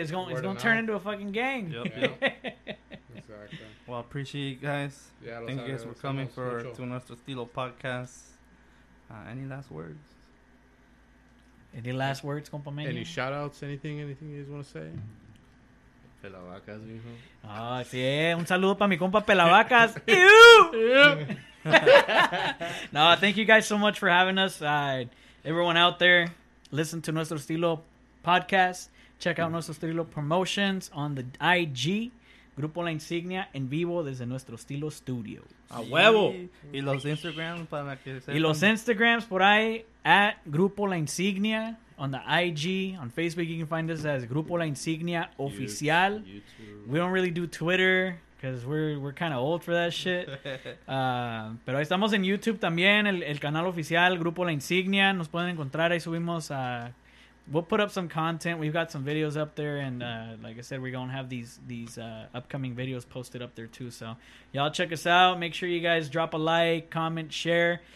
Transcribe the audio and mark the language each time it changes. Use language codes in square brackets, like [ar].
[en] It's going to turn into a fucking gang. Yep. Exactly. Well, I appreciate you guys. Yeah, thank you guys for coming to Nuestro Estilo Podcast. Any last words? Any last words, compa Manny? Any shout outs, anything you guys want to say? [es] Pelavacas, mijo. Ah, sí, un saludo para mi compa Pelavacas. [en] No, thank you guys so much for having us. Everyone out there, listen to Nuestro Estilo podcast. Check out Nuestro Estilo promotions on the IG. [es] Grupo La Insignia en vivo desde Nuestro Estilo Studio. ¡A huevo! Y los Instagrams para que sepan. Y los Instagrams por ahí, [en] at Grupo La Insignia, on the IG, on Facebook, you can find us as Grupo La Insignia Oficial. YouTube. We don't really do Twitter, because we're kind of old for that shit. [es] pero ahí estamos en YouTube también, el canal oficial, Grupo La Insignia. Nos pueden encontrar, ahí subimos a... [en] we'll put up some content. We've got some videos up there, and like I said, we're gonna have these upcoming videos posted up there too. So y'all check us out. Make sure you guys drop a like, comment, share.